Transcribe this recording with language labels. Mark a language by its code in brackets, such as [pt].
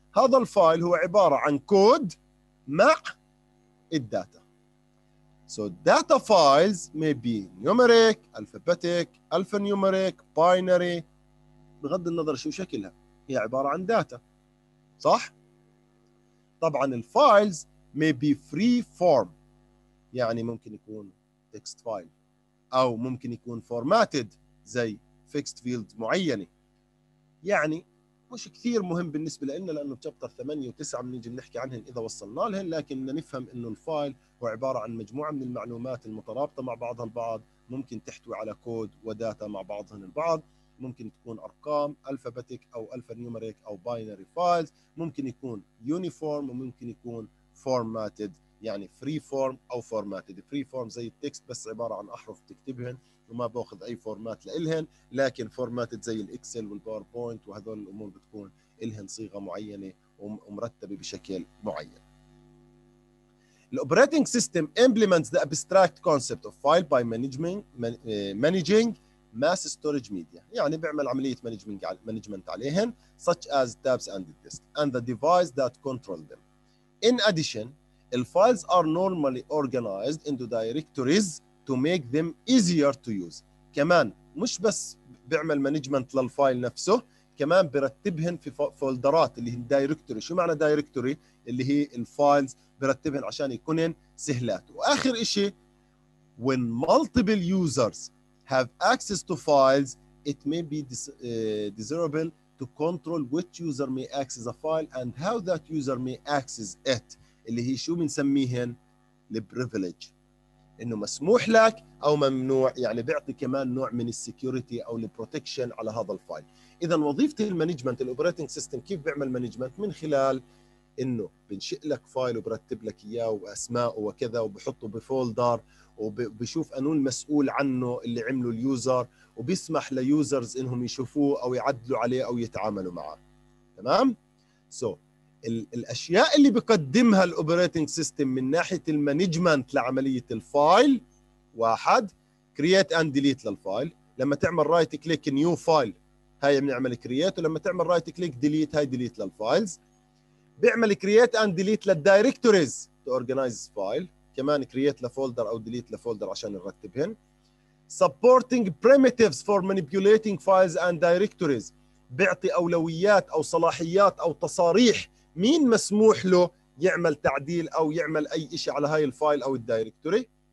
[ar] هذا الفايل هو عبارة عن كود مع الداتا. [en] So data files may be numeric, alphabetic, alphanumeric, binary، [ar] بغض النظر شو شكلها هي عبارة عن داتا، صح؟ طبعا الفايلز [en] may be free form [ar] يعني ممكن يكون [en] text file [ar] أو ممكن يكون [en] formatted زي fixed field معينة. [ar] يعني مش كثير مهم بالنسبة لنا لأنه chapter 8 و 9 بنيجي بنحكي عنهن إذا وصلنا لهن، لكن نفهم إنه الفايل هو عبارة عن مجموعة من المعلومات المترابطة مع بعضها البعض، ممكن تحتوي على كود وداتا مع بعضهن البعض، ممكن تكون أرقام alphabetic أو alphanumeric أو binary files، ممكن يكون uniform وممكن يكون formatted يعني free form أو formatted. free form زي التكست بس عبارة عن أحرف تكتبهن وما بأخذ أي فورمات لإلهن، لكن فورماتد زي الإكسل والباوربوينت وهذول الأمور بتكون إلهن صيغة معينة ومرتبة بشكل معين. [en] الأوبريتنج system implements the abstract concept of file by managing mass storage media، [ar] يعني بيعمل عملية [en] management عليهن such as tabs and the disk and the device that control them. In addition, the files are normally organized into directories to make them easier to use. [ar] كمان مش بس بيعمل مانجمنت للفايل نفسه، كمان بيرتبهن في فولدرات اللي هي الدايركتوري. شو معنى دايركتوري؟ اللي هي الفايلز بيرتبهن عشان يكونن سهلات. [en] واخر اشي when multiple users have access to files it may be desirable to control which user may access a file and how that user may access it، [ar] اللي هي شو بنسميهن البريفليج، انه مسموح لك او ممنوع، يعني بيعطي كمان نوع من السكيورتي او البروتكشن على هذا الفايل. اذا وظيفه المانجمنت الاوبريتنج سيستم كيف بيعمل مانجمنت؟ من خلال انه بنشئ لك فايل وبرتب لك اياه واسماءه وكذا وبحطه بفولدر وبشوف انو المسؤول عنه اللي عمله اليوزر، وبيسمح ليوزرز انهم يشوفوه او يعدلوا عليه او يتعاملوا معه. تمام. سو الأشياء اللي بيقدمها الأوبريتنج سيستم من ناحية المانجمنت لعملية الفايل، واحد create and delete للفايل. لما تعمل right click new file هاي بنعمل create، ولما تعمل right click delete هاي delete للفايلز. بيعمل create and delete للدايركتوريز [en] to organize file، [ar] كمان create لفولدر أو delete لفولدر عشان نرتبهن. [en] supporting primitives for manipulating files and directories، [ar] بيعطي أولويات أو صلاحيات أو تصاريح مين مسموح له يعمل تعديل او يعمل اي شيء على هاي الفايل او الدايركتوري.